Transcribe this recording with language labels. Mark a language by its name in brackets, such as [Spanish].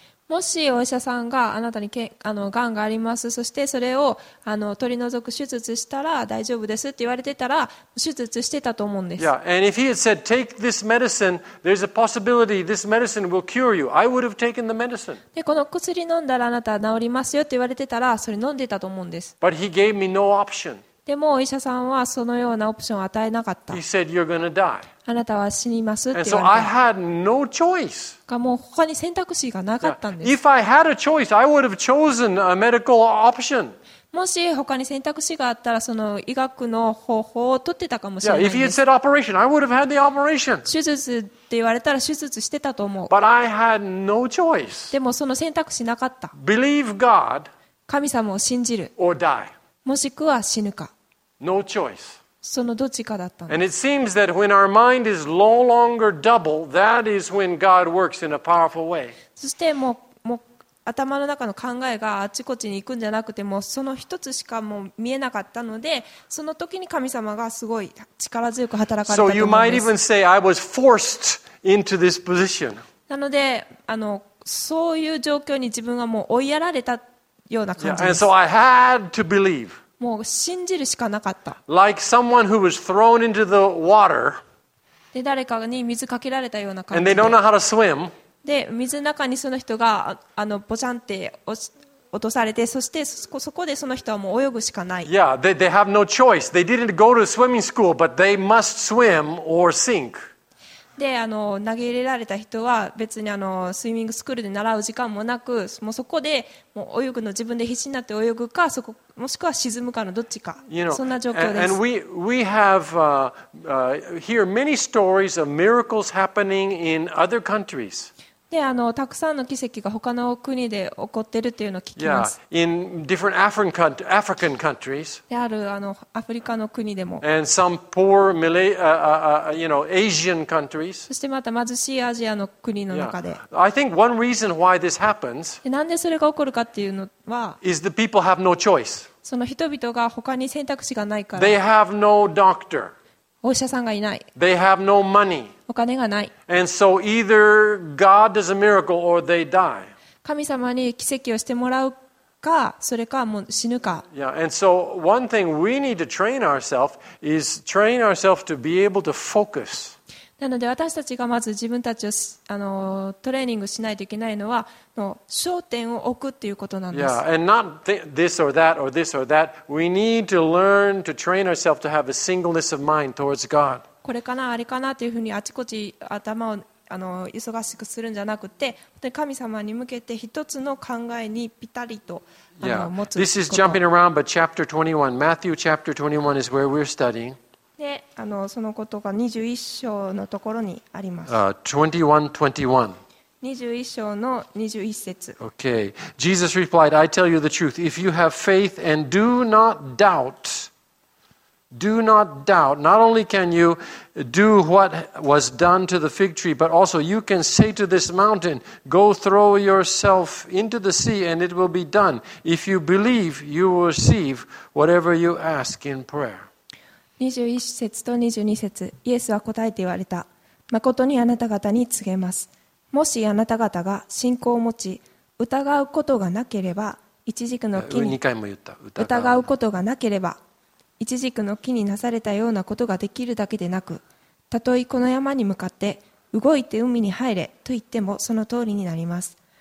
[Japanese] もしお医者さんがあなたにがんがあります、そしてそれを取り除く手術したら大丈夫ですって言われてたら手術してたと思うんです。 [English] Yeah, and if he had said take this medicine, there's a possibility this medicine will cure you, I would have taken the medicine. [Japanese] でこの薬飲んだらあなた治りますよって言われてたらそれ飲んでたと思うんです。 [English] But he gave me no option. [Japanese] でもお医者さんはそのようなオプションを与えなかった。 [English] He said you're gonna die. [Japanese] あなたは死にますって言われた。 [English] And so I had no choice. [Japanese] もう他に選択肢がなかったんです。 [English] If I had a choice, I would have chosen a medical option. [Japanese] もし他に選択肢があったらその医学の方法を取ってたかもしれないです。 [English] Yeah, if he had said operation, I would have had the operation. [Japanese] 手術って言われたら手術してたと思う。 [English] But I had no choice. [Japanese] でもその選択肢なかった。 [English] Believe God. [Japanese] 神様を信じる、もしくは死ぬか、そのどっちかだったんです。 [English] And it seems that when our mind is no longer double, that is when God works in a powerful way. [Japanese] そしてもう頭の中の考えがあちこちに行くんじゃなくて、もうその一つしかもう見えなかったので、その時に神様がすごい力強く働かれたと思います。 [English] So you might even say I was forced into this position. [Japanese] なのでそういう状況に自分はもう追いやられたような感じです。 [English] Yeah, and so I had to believe. [Japanese] もう信じるしかなかった。 [English] Like someone who was thrown into the water, [Japanese] で誰かに水かけられたような感じ。 [English] And they don't know how to swim. [Japanese] で水の中にその人がボチャンって落とされて、そしてそこでその人はもう泳ぐしかない。 [English] Yeah, they have no choice. They didn't go to swimming school, but they must swim or sink. [Japanese] で投げ入れられた人は別にスイミングスクールで習う時間もなく、もうそこでもう泳ぐの、自分で必死になって泳ぐか、そこもしくは沈むかのどっちか、 [English] you know, [Japanese] そんな状況です。 [English] And we have hear many stories of miracles happening in other countries. [Japanese] でたくさんの奇跡が他の国で起こってるっていうのを聞きます。 [English] Yeah, in different African countries. [Japanese] であるアフリカの国でも。 [English] And some poor Asian countries. [Japanese] そしてまた貧しいアジアの国の中で。 [English] Yeah. I think one reason why this happens. [Japanese] なんでそれが起こるかっていうのは。 [English] Is the people have no choice. [Japanese] その人々が他に選択肢がないから。 [English] They have no doctor. [Japanese] お医者さんがいない。 [English] They have no money. [Japanese] お金がない。 [English] And so either God does a miracle or they die. [Japanese] 神様に奇跡をしてもらうか、それかもう死ぬか。 [English] Yeah, and so one thing we need to train ourselves is train ourselves to be able to focus. [Japanese] なので私たちがまず自分たちをトレーニングしないといけないのは、焦点を置くっていうことなんです。 [English] Yeah, and not this or that or this or that. We need to learn to train ourselves to have a singleness of mind towards God. [Japanese] これかな、あれかなというふうにあちこち頭を忙しくするんじゃなくて、本当に神様に向けて一つの考えにピタリと持つ。 [English] This is jumping around, but chapter 21, Matthew chapter 21 is where we're studying. [Japanese] で、そのことが21章のところにあります。 21 章の21節。 [English] Okay. Jesus replied, I tell you the truth. If you have faith and do not doubt, not only can you do what was done to the fig tree, but also you can say to this mountain, go throw yourself into the sea and it will be done. If you believe, you will receive whatever you ask in prayer. [Japanese] 21節と22節、イエスは答えて言われた。誠にあなた方に告げます。もしあなた方が信仰を持ち、疑うことがなければ、イチジクの木に、 2回も言った。疑うことがなければ、イチジクの木になされたようなことができるだけでなく、たとえこの山に向かって、動いて海に入れと言ってもその通りになります。